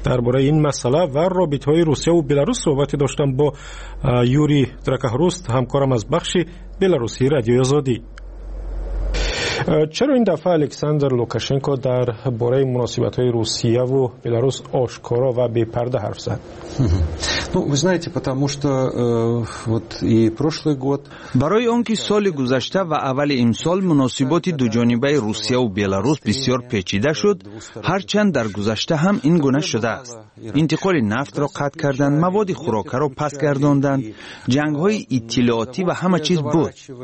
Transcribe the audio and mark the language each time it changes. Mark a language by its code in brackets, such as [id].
[fa] درباره این مسئله و رابطه‌های روسیه و بلاروس صحبت داشتم با یوری دراکهروست همکارم از بخش بلاروسی رادیو آزادی. چرا این دفعه الکساندر لوکاشنکو در باره مناسبت های روسیه و بلاروس آشکارا و بی پرده حرف زد؟ [ru] Ну, вы знаете, потому что вот и прошлый год [tg] барои он ки соли гузашта ва аввали имсол муносиботи ду ҷонибаи Русия ва Беларус бисёр печида шуд, ҳарчанд дар гузашта ҳам ин гуна шудааст. Интиқоли нафтро қатъ карданд, маводи хӯрокаро пас гардонданд, ҷангҳои иттилоотӣ ва ҳама чиз буд.